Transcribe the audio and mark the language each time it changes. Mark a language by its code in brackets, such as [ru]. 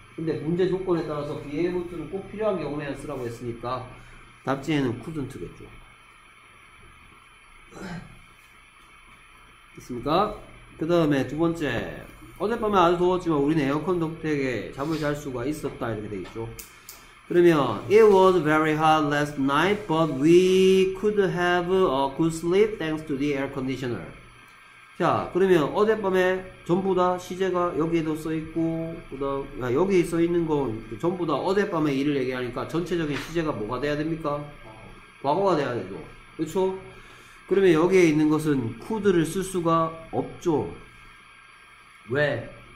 [ko] 근데 문제 조건에 따라서 be able to는 꼭 필요한 경우에만 쓰라고 했으니까 답지에는 couldn't겠죠. 됐습니까? 그 다음에 두 번째 어젯밤에 아주 더웠지만 우리는 에어컨 덕택에 잠을 잘 수가 있었다 이렇게 되겠죠. 그러면 [en] it was very hot last night but we could have a good sleep thanks to the air conditioner. [ko] 자 그러면 어젯밤에 전부 다 시제가 여기에도 써있고 그다음 여기 써있는 건 전부 다 어젯밤에 일을 얘기하니까 전체적인 시제가 뭐가 돼야 됩니까? 과거가 돼야 되죠. 그렇죠? 그러면 여기에 있는 것은 could를 쓸 수가 없죠. 왜?